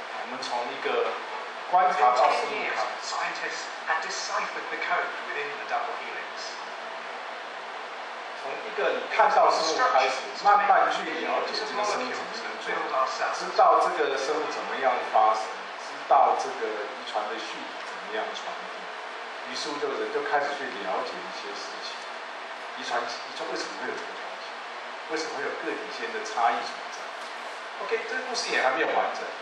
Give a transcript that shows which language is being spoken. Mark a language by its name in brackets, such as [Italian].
[Chinese] 我们从一个观察到生物卡 [English] ，scientists had deciphered the code within the double helix。 [Chinese] 从一个你看到生物开始，慢慢去了解这个生物怎么生存，知道这个生物怎么样发生，知道这个遗传的序怎么样传递，于是就人就开始去了解一些事情，遗传为什么会有这个条件，为什么会有个体间的差异存在 ？OK， 这个故事也还没有完整。